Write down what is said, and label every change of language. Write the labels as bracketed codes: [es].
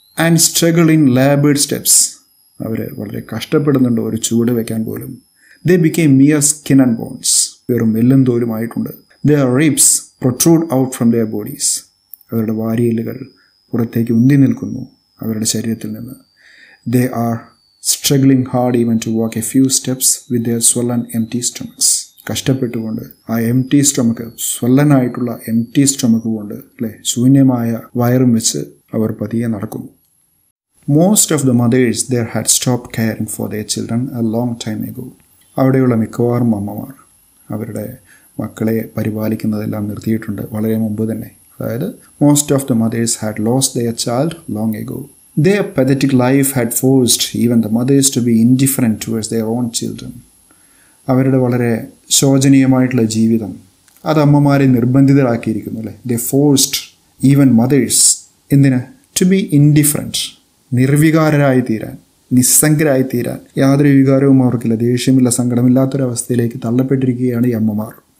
[en] and struggle in laboured steps, [ml] അവർ വളരെ കഷ്ടപ്പെടുന്നുണ്ട് ഒരു ചുവട് വയ്ക്കാൻ പോലും. [en] they became mere skin and bones, [ml] വെറും മെല്ലും തോലുമായിട്ടുണ്ട്. [en] the ribs protrude out from their bodies, [ml] അവരുടെ വാരിയലുകൾ പുറത്തേക്ക് ഉന്തി നിൽക്കുന്നു അവരുടെ ശരീരത്തിൽ നിന്ന്. [en] They are struggling hard even to walk a few steps with their swollen empty stomachs. [ml] കഷ്ടപ്പെട്ടു കൊണ്ട് ആ എംറ്റി സ്റ്റൊമക്ക്, സ്വല്ലനായിട്ടുള്ള എംറ്റി സ്റ്റൊമക്ക് കൊണ്ട് അല്ലേ, ശൂന്യമായ വയറും വെച്ച് അവർ പതിയെ നടക്കുന്നു. [en] Most of the mothers there had stop caring for their children a long time ago. [ml] അവിടെയുള്ള മിക്കവാറും അമ്മമാർ അവരുടെ മക്കളെ പരിപാലിക്കുന്നതെല്ലാം നിർത്തിയിട്ടുണ്ട് വളരെ മുമ്പ് തന്നെ. [en] അതായത് most of the mothers had lost their child long ago. Their pathetic life had forced even the mothers to be indifferent towards their own children. [ml] അവരുടെ വളരെ ശോചനീയമായിട്ടുള്ള ജീവിതം അത് അമ്മമാരെ നിർബന്ധിതരാക്കിയിരിക്കുന്നു അല്ലേ. [en] they forced even mothers [ml] എന്തിന്? [en] to be indifferent, [ml] നിർവികാരരായിത്തീരാൻ, നിസ്സംഗരായിത്തീരാൻ. യാതൊരു വികാരവും അവർക്കില്ല, ദേഷ്യമില്ല, സങ്കടമില്ലാത്തൊരവസ്ഥയിലേക്ക് തള്ളപ്പെട്ടിരിക്കുകയാണ് ഈ അമ്മമാർ.